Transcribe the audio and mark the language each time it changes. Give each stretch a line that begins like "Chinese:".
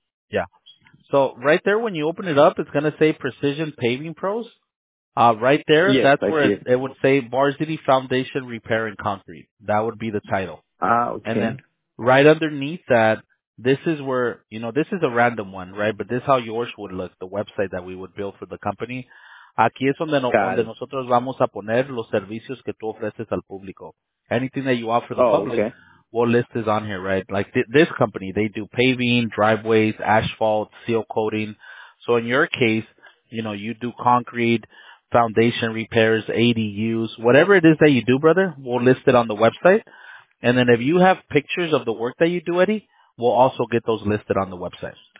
English: Yeah. So right there, when you open it up, it's going to say Precision Paving Pros. Right there, yes, that's where it would say Varsity Foundation Repair and Concrete. That would be the title. Okay. And then right underneath that, this is where, you know, this is a random one, right? But this is how yours would look, the website that we would build for the company.
Spanish: Aquí es donde, donde nosotros vamos a poner los servicios que tú ofreces al público.
English: Anything that you offer the public, okay. We'll list is on here, right? Like this company, they do paving, driveways, asphalt, seal coating. So in your case, you know, you do concrete, foundation repairs, ADUs, whatever it is that you do, brother, we'll list it on the website. And then if you have pictures of the work that you do, Eddie, we'll also get those listed on the website.